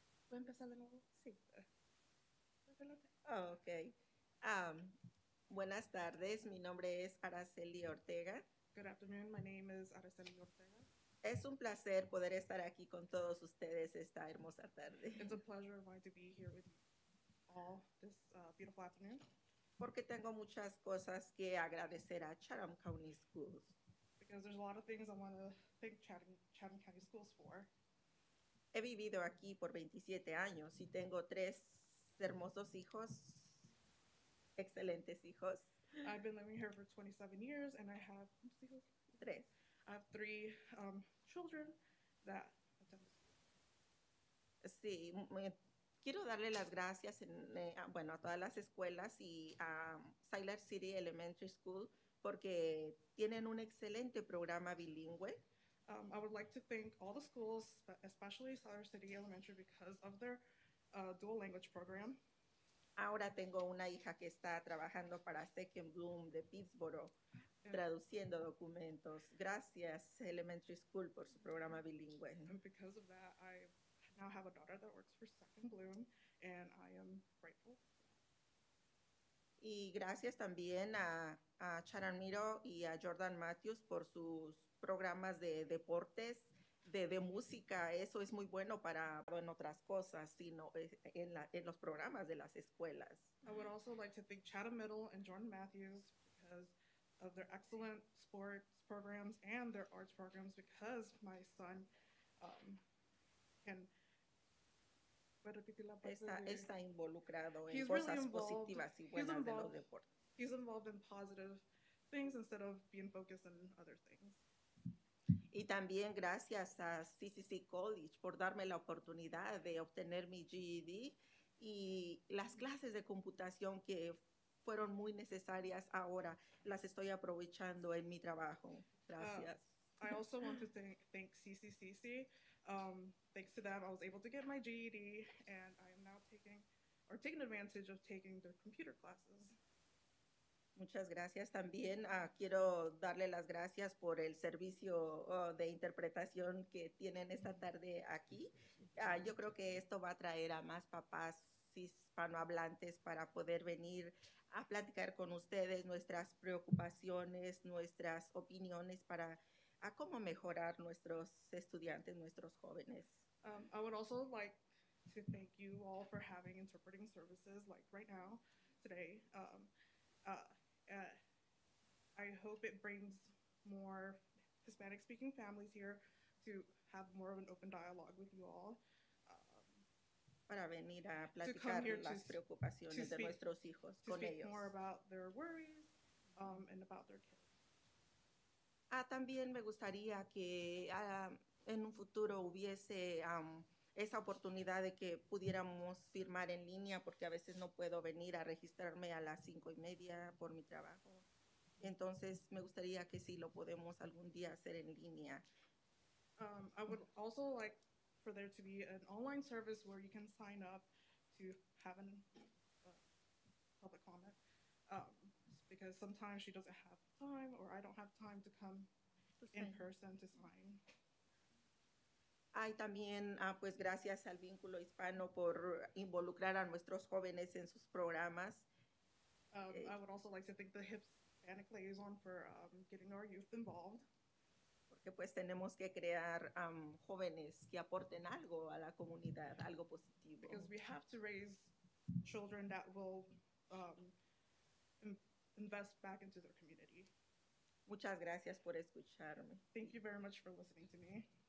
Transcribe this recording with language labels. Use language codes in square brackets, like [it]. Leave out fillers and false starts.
[es] ¿Puedo empezar de nuevo? Sí. Okay. Buenas tardes. Mi nombre es Araceli Ortega. [en] Good afternoon. My name is Araceli Ortega. [es] Es un placer poder estar aquí con todos ustedes esta hermosa tarde. [en] It's a pleasure of mine to be here with you all this beautiful afternoon. [es] Porque tengo muchas cosas que agradecer a Chatham County Schools. [en] Because there's a lot of things I want to thank Chatham County Schools for. [es] He vivido aquí por 27 años y tengo tres hermosos hijos, excelentes hijos. [en] I've been living here for 27 years, and I have three children that attend. [es] Sí, quiero darle las gracias a todas las escuelas y a Siler City Elementary School porque tienen un excelente programa bilingüe. [en] I would like to thank all the schools, especially Siler City Elementary, because of their dual language program. [es] Ahora tengo una hija que está trabajando para Second Bloom de Pittsburgh, traduciendo documentos. Gracias, Elementary School, por su programa bilingüe. [en] And because of that, I now have a daughter that works for Second Bloom, and I am grateful. [es] Y gracias también a Charan Miro y a Jordan Matthews por sus programas de deportes, de música. Eso es muy bueno para en otras cosas, sino en los programas de las escuelas. [en] I would also like to thank Chatham Middle and Jordan Matthews because of their excellent sports programs and their arts programs, because my son [es] está involucrado en cosas positivas y buenas de los deportes. [en] He's involved in positive things instead of being focused on other things. [es] Y también gracias a CCC College por darme la oportunidad de obtener mi GED y las clases de computación que fueron muy necesarias ahora las estoy aprovechando en mi trabajo. Gracias. [en] I also want to thank CCCC. Thanks to them, I was able to get my GED and I am now taking advantage of taking their computer classes. [es] Muchas gracias también. Quiero darle las gracias por el servicio de interpretación que tienen esta tarde aquí. Yo creo que esto va a traer a más papás hispanohablantes para poder venir a platicar con ustedes nuestras preocupaciones, nuestras opiniones para a cómo mejorar nuestros estudiantes, nuestros jóvenes. [en] I would also like to thank you all for having interpreting services like right now, today. I hope it brings more Hispanic-speaking families here to have more of an open dialogue with you all. [es] Para venir a platicar las preocupaciones de nuestros hijos con ellos. [en] To speak more about their worries and about their kids. [es] También me gustaría que en un futuro hubiese esa oportunidad de que pudiéramos firmar en línea, porque a veces no puedo venir a registrarme a las 5:30 por mi trabajo. Entonces, me gustaría que sí lo podemos algún día hacer en línea. [en] I would also like for there to be an online service where you can sign up to have an public comment, because sometimes she doesn't have time or I don't have time to come in person to sign. [es] Ay, también, pues gracias al vínculo hispano por involucrar a nuestros jóvenes en sus programas. [en] I would also like to thank the Hispanic Liaison for getting our youth involved. [es] Porque pues tenemos que crear jóvenes que aporten algo a la comunidad, algo positivo. [en] Because we have to raise children that will invest back into their community. [es] Muchas gracias por escucharme. [en] Thank you very much for listening to me.